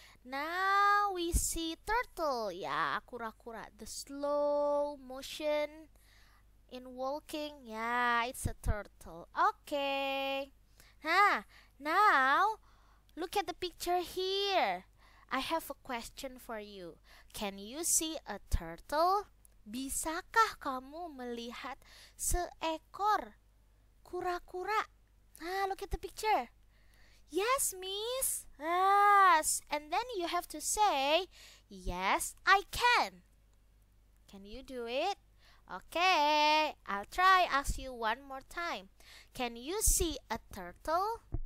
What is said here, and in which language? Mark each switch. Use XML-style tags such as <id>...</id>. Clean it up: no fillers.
<en>Now we see turtle, yeah, kura-kura, the slow motion in walking, yeah, it's a turtle. Okay, huh. Now look at the picture here. I have a question for you. Can you see a turtle?</en> <id>Bisakah kamu melihat seekor kura-kura?</id> <en>Nah, look at the picture. Yes, miss. Yes. And then you have to say, yes, I can. Can you do it? Okay. I'll try ask you one more time. Can you see a turtle?</en>